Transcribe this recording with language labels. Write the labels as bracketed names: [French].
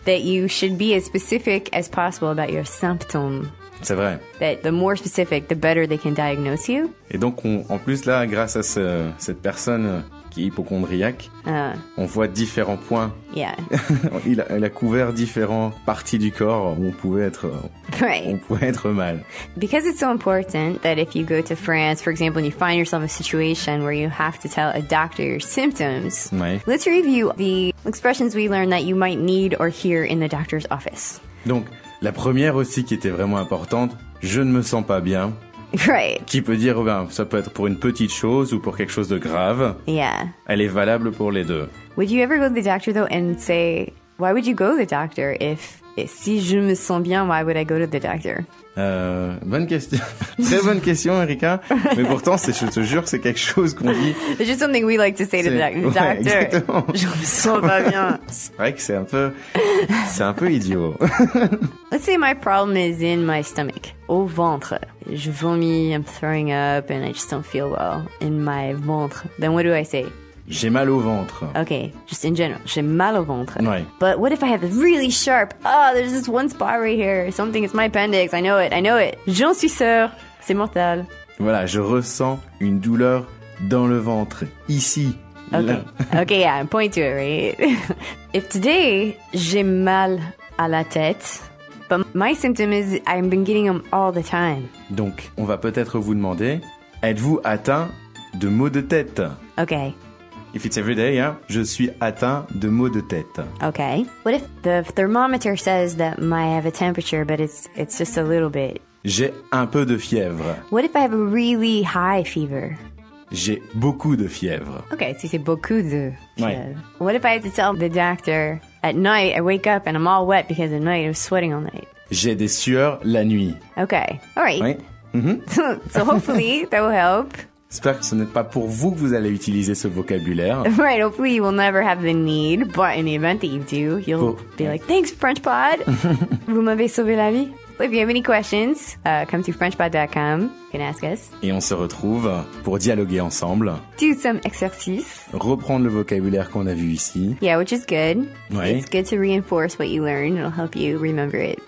[English] ...that you should be as specific as possible about your symptoms. [French] C'est vrai. [English] That the more specific, the better they can diagnose you. [French] Et donc, en plus là, grâce à cette personne qui est hypochondriaque, on voit différents points. [English] Yeah. [French] Il a couvert différentes parties du corps où on pouvait être... [English] Right. [French] On pouvait être mal. [English] Because it's so important that if you go to France, for example, and you find yourself a situation where you have to tell a doctor your symptoms, [French] oui. [English] Let's review the expressions we learned that you might need or hear in the doctor's office. [French] Donc, la première aussi qui était vraiment importante, je ne me sens pas bien. [English] Right. [French] Qui peut dire, ben, ça peut être pour une petite chose ou pour quelque chose de grave. [English] Yeah. [French] Elle est valable pour les deux. [English] Would you ever go to the doctor though and say, why would you go to the doctor if... [French] Et si je me sens bien, [English] why would I go to the doctor? [French] Bonne question. Très bonne question, Erika. Mais pourtant, je te jure que c'est quelque chose qu'on dit. [English] It's just something we like to say to the doctor. [French] Ouais, exactement. Je me sens pas bien. C'est vrai que c'est un peu idiot. [English] Let's say my problem is in my stomach. [French] Au ventre. Je vomis, [English] I'm throwing up, and I just don't feel well in my ventre. Then what do I say? [French] J'ai mal au ventre. [English] Okay, just in general, [French] j'ai mal au ventre. Ouais. [English] But what if I have a really sharp, oh, there's this one spot right here, something, it's my appendix, I know it. [French] J'en suis sûr, c'est mortel. Voilà, je ressens une douleur dans le ventre, ici, [English] okay. [French] Là. [English] Okay, yeah, point to it, right? If today, [French] j'ai mal à la tête, [English] but my symptom is I've been getting them all the time. [French] Donc, on va peut-être vous demander, êtes-vous atteint de maux de tête? [English] Okay. If it's every day, yeah, [French] je suis atteint de maux de tête. [English] Okay. What if the thermometer says that I have a temperature, but it's just a little bit? [French] J'ai un peu de fièvre. [English] What if I have a really high fever? [French] J'ai beaucoup de fièvre. Okay, si c'est beaucoup de fièvre. Ouais. [English] What if I have to tell the doctor at night, I wake up and I'm all wet because at night I was sweating all night? [French] J'ai des sueurs la nuit. [English] Okay, all right. [French] Ouais. Mm-hmm. [English] So hopefully that will help. [French] J'espère que ce n'est pas pour vous que vous allez utiliser ce vocabulaire. [English] Right, hopefully you will never have the need, but in the event that you do, you'll be like, thanks, French Pod. [French] Vous m'avez sauvé la vie. [English] If you have any questions, come to frenchpod.com. You can ask us. [French] Et on se retrouve pour dialoguer ensemble. [English] Do some exercises. [French] Reprendre le vocabulaire qu'on a vu ici. [English] Yeah, which is good. [French] Ouais. [English] It's good to reinforce what you learned. It'll help you remember it.